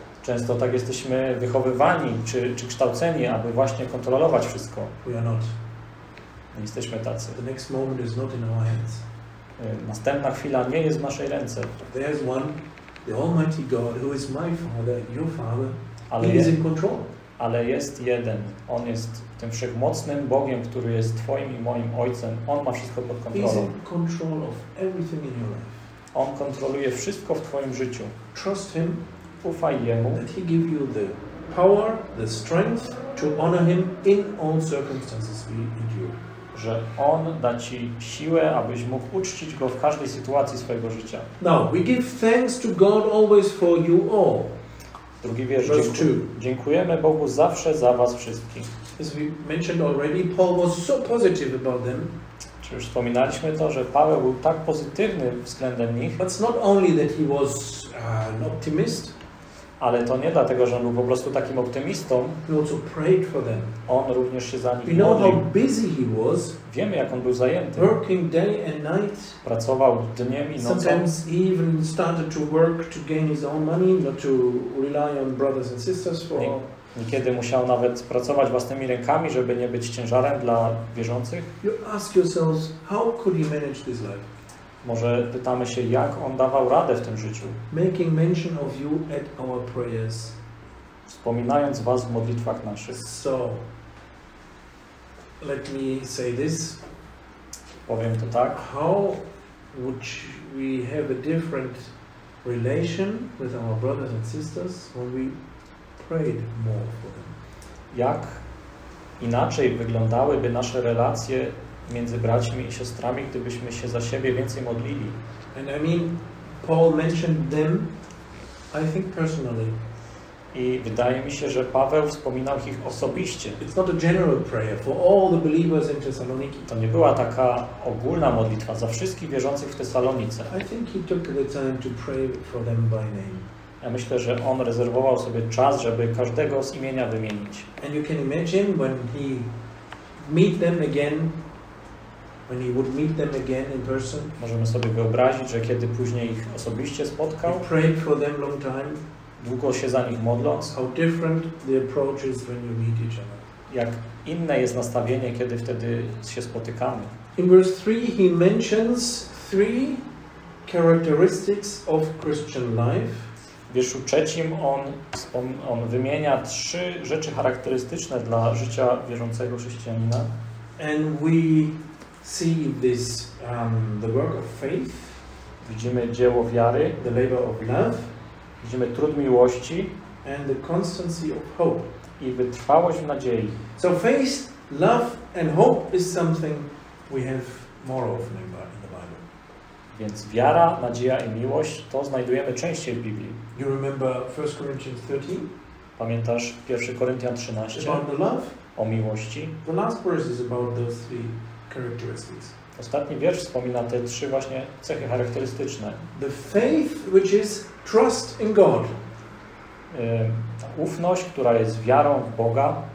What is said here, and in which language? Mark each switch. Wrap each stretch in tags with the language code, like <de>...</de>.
<pl>Często tak jesteśmy wychowywani czy kształceni, aby właśnie kontrolować wszystko.</pl> <en>We are not.</en> <pl>Nie jesteśmy tacy.</pl> <en>The next moment is not in our hands.</en> <pl>Następna chwila nie jest w naszej ręce.</pl> <en>There is one, the Almighty God, who is my Father, your Father. He is in control.</en> <pl>Ale jest jeden. On jest tym wszechmocnym Bogiem, który jest Twoim i moim Ojcem. On ma wszystko pod kontrolą.</pl> <en>He's in control of everything in your life.</en> <pl>On kontroluje wszystko w Twoim życiu.</pl> <en>Trust Him.</en> <pl>Ufaj Jemu.</pl> <en>That He give you the power, the strength to honor Him in all circumstances we endure.</en> <pl>Że On da Ci siłę, abyś mógł uczcić Go w każdej sytuacji swojego życia.</pl> <en>Now, we give thanks to God always for you all.</en> <pl>Drugi wiersz. Dziękujemy Bogu zawsze za was wszystkich.</pl> <en>As we mentioned already, Paul was so positive about them.</en> <pl>Czy już wspominaliśmy to, że Paweł był tak pozytywny względem nich?</pl> <en>But it's not only that he was an optimist.</en> <pl>Ale to nie dlatego, że on był po prostu takim optymistą.</pl> <en>He also prayed for them.</en> <pl>On również się za nich</pl> <en>modlił. We know how busy he was.</en> <pl>Wiemy, jak on był zajęty.</pl> <en>Working day and night.</en> <pl>Pracował dniem i nocą.</pl> <en>Sometimes he even started to work to gain his own money, not to rely on brothers and sisters for.</en> <pl>Niekiedy musiał nawet pracować własnymi rękami, żeby nie być ciężarem dla wierzących.</pl> <en>You ask yourselves, how could he manage this life?</en> <pl>Może pytamy się, jak on dawał radę w tym życiu.</pl> <en>Making mention of you at our prayers.</en> <pl>Wspominając was w modlitwach naszych.</pl> <en>So, let me say this.</en> <pl>Powiem to tak.</pl> <en>How would we have a different relation with our brothers and sisters when we prayed more for them?</en> <pl>Jak inaczej wyglądałyby nasze relacje między braćmi i siostrami, gdybyśmy się za siebie więcej modlili.</pl> <en>And I mean, Paul mentioned them, I think personally.</en> <pl>I wydaje mi się, że Paweł wspominał ich osobiście.</pl> <en>It's not a general prayer for all the believers in Thessaloniki.</en> <pl>To nie była taka ogólna modlitwa za wszystkich wierzących w Tesalonice.</pl> <en>I think he took the time to pray for them by name.</en> <pl>Ja myślę, że on rezerwował sobie czas, żeby każdego z imienia wymienić.</pl> <en>And you can imagine when he meet them again. When he would meet them again in person.</en> <pl>Możemy sobie wyobrazić, że kiedy później ich osobiście spotkał.</pl> <en>He prayed for them long time.</en> <pl>Długo się za nich modląc.</pl> <en>How different the approach is when you meet each other.</en> <pl>Jak inne jest nastawienie, kiedy wtedy się spotykamy.</pl> <en>In verse 3 he mentions three characteristics of Christian life.</en> <pl>W wierszu trzecim on wymienia trzy rzeczy charakterystyczne dla życia wierzącego chrześcijanina.</pl> <en>And we see this the work of faith.</en> <pl>Widzimy dzieło wiary,</pl> <en>the labor of love.</en> <pl>Widzimy trud miłości</pl> <en>and the constancy of hope.</en> <pl>I wytrwałość w nadziei.</pl> <en>So faith, love and hope is something we have more of in the Bible.</en> <pl>Więc wiara, nadzieja i miłość to znajdujemy częściej w Biblii.</pl> <en>You remember 1 Corinthians 13?</en> <pl>Pamiętasz 1 Koryntian 13?</pl> <en>About the love.</en> <pl>O miłości.</pl> <en>The last verse is about those three. Characteristics.</en> <pl>Ostatni wiersz wspomina te trzy właśnie cechy charakterystyczne.</pl> <en>The faith, which is trust in God.</en> <pl>Ta ufność, która jest wiarą w Boga.</pl>